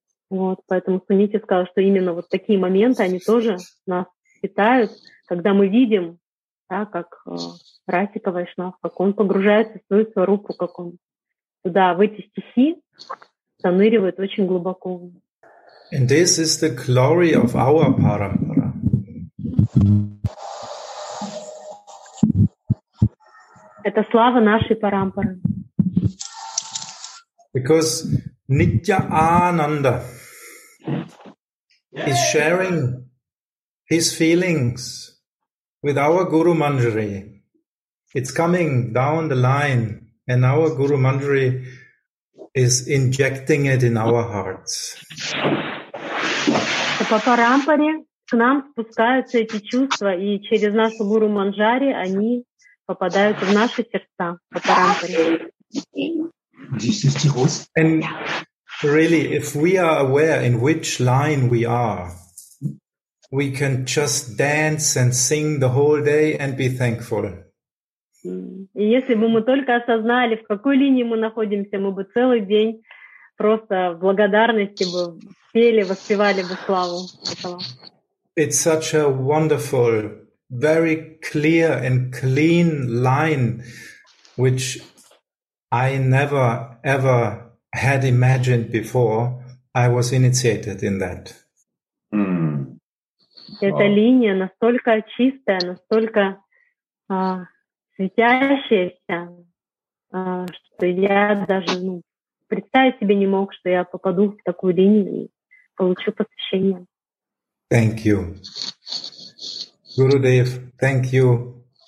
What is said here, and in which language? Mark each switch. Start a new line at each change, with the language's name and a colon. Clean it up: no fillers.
Russian: вот, поэтому Сунити сказала, что именно вот такие моменты, они тоже нас питают, когда мы видим, да, как Расика Вайшнав, как он погружается в свою сварупу, как он туда, в эти стихи заныривает очень глубоко.
English: And this is the glory of our parampara.
Russian: Это слава нашей парампары.
English: Because Nitya Ananda is sharing his feelings with our Guru Manjari. It's coming down the line, and our Guru Manjari is injecting it in our hearts.
Russian: По парампаре к нам спускаются эти чувства, и через нашу Гуру Манджари они попадают в наши сердца по парампаре.
English: And really, if we are aware in which line we are, we can just dance and sing the whole day and be thankful.
Russian: Если бы мы только осознали, в какой линии мы находимся, мы бы целый день просто в благодарности бы пели, воспевали бы славу этого.
English: It's such a wonderful, very clear and clean line, which I never ever had imagined before I was initiated in that.
Russian: Эта линия настолько чистая, настолько светящаяся, что я даже представить себе не мог, что я попаду в такую линию и получу посвящение.
English: Thank you. Gurudev, thank you.